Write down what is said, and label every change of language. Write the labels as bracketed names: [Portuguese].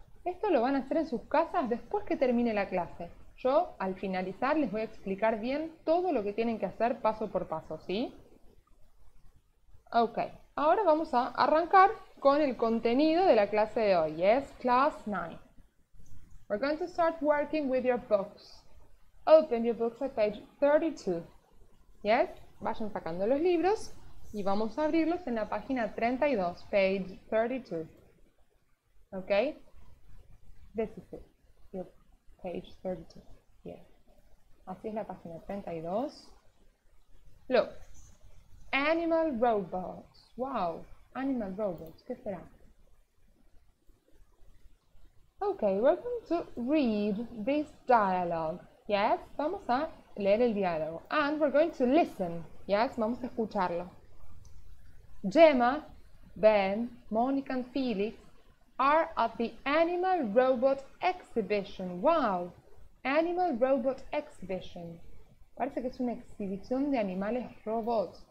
[Spanish] Esto lo van a hacer en sus casas después que termine la clase. Yo, al finalizar, les voy a explicar bien todo lo que tienen que hacer paso por paso, ¿sí? Ok, ahora vamos a arrancar con el contenido de la clase de hoy. Es class 9. [English] We're going to start working with your books. Open your books at page 32. [Spanish] Yes, vayan sacando los libros. Y vamos a abrirlos en la página 32, [English] page 32. Okay? This is it. Your page 32. Here. [Spanish] Así es la página 32. [English] Look. Animal robots. Wow. Animal robots. [Spanish] ¿Qué será? [English] Okay, we're going to read this dialogue. Yes? [Spanish] Vamos a leer el diálogo. [English] And we're going to listen. Yes? [Spanish] Vamos a escucharlo. [English] Gemma, Ben, Monica and Felix are at the Animal Robot Exhibition. Wow! Animal Robot Exhibition. [Spanish] Parece que es una exhibición de animales robots.